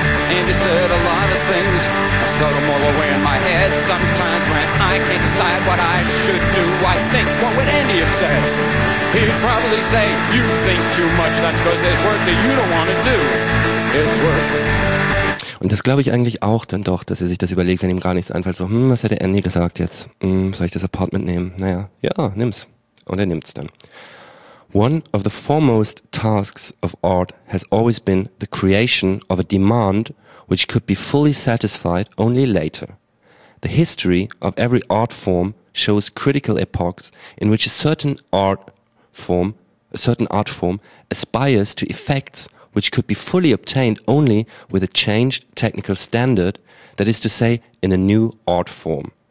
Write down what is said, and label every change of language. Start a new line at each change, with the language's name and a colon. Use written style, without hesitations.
English: Andy said a lot of things. I stole them all away in my head. Sometimes when I can't decide what I should do, I think, what would Andy have said? He'd probably say, you think too much. That's because there's work that you don't want to do. It's work.
German: Und das glaube ich eigentlich auch dann doch, dass er sich das überlegt, wenn ihm gar nichts einfällt. So, was hätte Andy gesagt jetzt? Soll ich das Apartment nehmen? Naja, ja, nimm's. Und er nimmt's dann.
English: One of the foremost tasks of art has always been the creation of a demand which could be fully satisfied only later. The history of every art form shows critical epochs in which a certain art form aspires to effects which could be fully obtained only with a changed technical standard, that is to say, in a new art form.